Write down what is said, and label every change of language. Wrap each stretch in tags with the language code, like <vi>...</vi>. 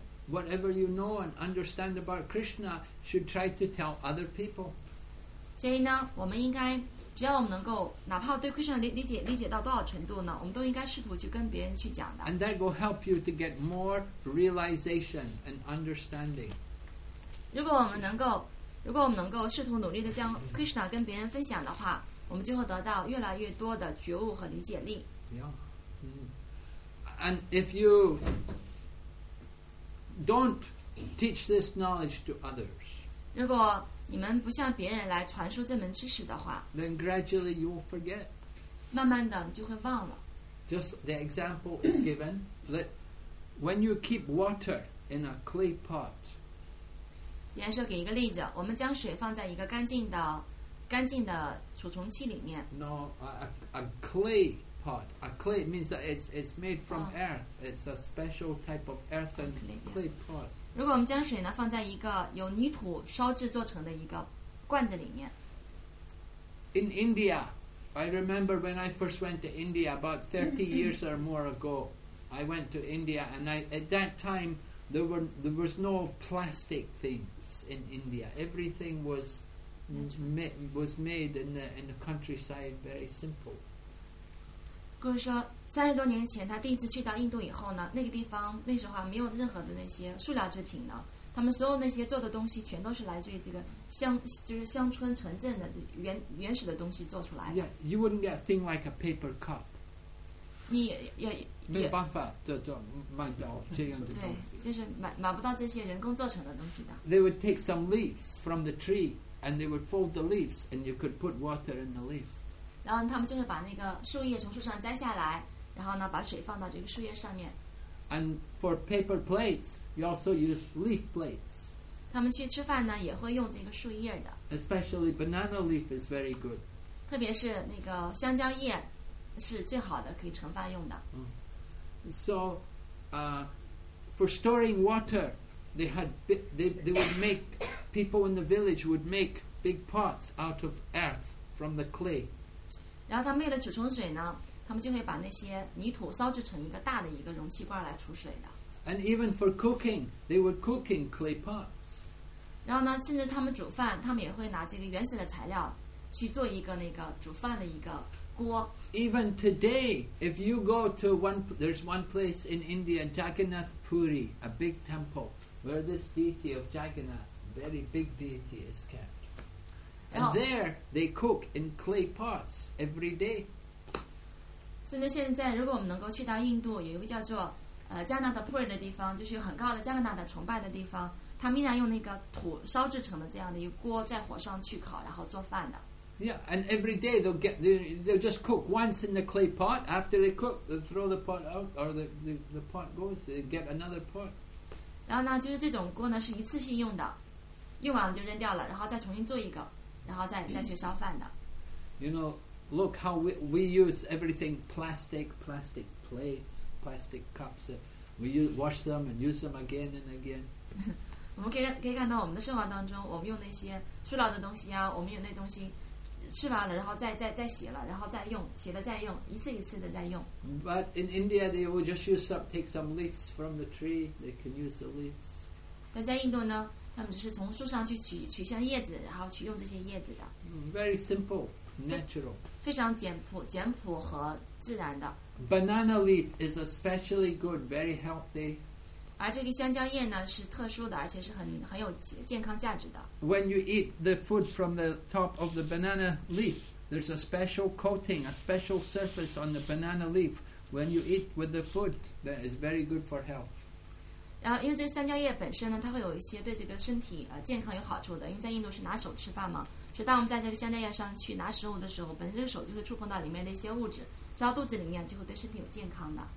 <en>Whatever you know and understand about Krishna should try to tell other people.</en> <zh>所以呢，我们应该只要我们能够，哪怕对 Krishna 理解到多少程度呢，我们都应该试图去跟别人去讲的。</zh> <en>And that will help you to get more realization and understanding.</en> <zh>如果我们能够试图努力的将 Krishna 跟别人分享的话，我们就会得到越来越多的觉悟和理解力。</zh> <en>Yeah. And if you don't teach this knowledge to others.</en> <zh>如果你们不向别人来传输这门知识的话，</zh> <en>then gradually you will forget.</en> <zh>慢慢的你就会忘了。</zh> <en>Just the example is given that when you keep water in a clay pot,</en> <zh>严舍给一个例子，我们将水放在一个干净的储存器里面。</zh> <en>No, a clay pot. A clay means that it's made from earth. It's a special type of earthen clay pot.</en> <zh>如果我们将水呢放在一个由泥土烧制做成的一个罐子里面。</zh> <en>In India, I remember when I first went to India about 30 years or more ago. I went to India, and at that time there was no plastic things in India. Everything was. Was made in the countryside, very simple.</en> <zh>故事说，三十多年前，他第一次去到印度以后呢，那个地方那时候没有任何的那些塑料制品的，他们所有那些做的东西全都是来自于这个乡村城镇的原始的东西做出来的。</zh> <en>Yeah, you wouldn't get a thing like a paper cup.</en> <zh>你也没有办法做买到这样的东西。对，就是买不到这些人工做成的东西的。</zh> <en>They would take some leaves from the tree. And they would fold the leaves, and you could put water in the leaf.</en> <zh>然后他们就会把那个树叶从树上摘下来，然后呢，把水放到这个树叶上面。</zh> <en>And for paper plates, you also use leaf plates.</en> <zh>他们去吃饭呢，也会用这个树叶的。</zh> <en>Especially banana leaf is very good.</en> <zh>特别是那个香蕉叶，是最好的，可以盛饭用的。</zh> <en>So, for storing water. They would make people in the village would make big pots out of earth from the clay.</en> <zh>然后他们为了储存水呢，他们就会把那些泥土烧制成一个大的一个容器罐来储水的。</zh> <en>And even for cooking, they would cook in clay pots.</en> <zh>然后呢，甚至他们煮饭，他们也会拿这个原始的材料去做一个那个煮饭的一个锅。</zh> <en>Even today, if you go to there's one place in India, Jagannath Puri, a big temple. Where this deity of Jagannath, very big deity, is kept. And there, they cook in clay pots every day.</en> <zh>甚至现在，如果我们能够去到印度，有一个叫做加纳的普尔的地方，就是有很高的加纳的崇拜的地方，他们依然用那个土烧制成的这样的一个锅，在火上去烤，然后做饭的。</zh> <en>Yeah, and every day they'll just cook once in the clay pot. After they cook, they'll throw the pot out, or the pot goes, they get another pot.</en> <zh>然后呢，就是这种锅呢是一次性用的，用完了就扔掉了，然后再重新做一个，然后再去烧饭的。</zh> <en>You know, look how we use everything plastic plates, plastic cups. We wash them and use them again and again.</en> <zh>我们可以看到我们的生活当中，我们用那些塑料的东西啊，我们用那东西吃完了，然后再洗了，然后再用，洗了再用，一次一次的再用。</zh> <en>But in India, they will just take some leaves from the tree. They can use the leaves.</en> <zh>但在印度呢，他们只是从树上去取下叶子，然后去用这些叶子的。</zh> <en>Very simple, natural.</en> <zh>非常简朴和自然的。</zh> <en>Banana leaf is especially good, very healthy.</en> <zh>而这个香蕉叶呢是特殊的，而且是很有健康价值的。</zh> <en>When you eat the food from the top of the banana leaf, there's a special coating, a special surface on the banana leaf. When you eat with the food, that is very good for health.</en> <zh>然后，因为这个香蕉叶本身呢，它会有一些对这个身体健康有好处的。因为在印度是拿手吃饭嘛，所以当我们在这个香蕉叶上去拿食物的时候，本身这个手就会触碰到里面的一些物质，吃到肚子里面就会对身体有健康的。</zh>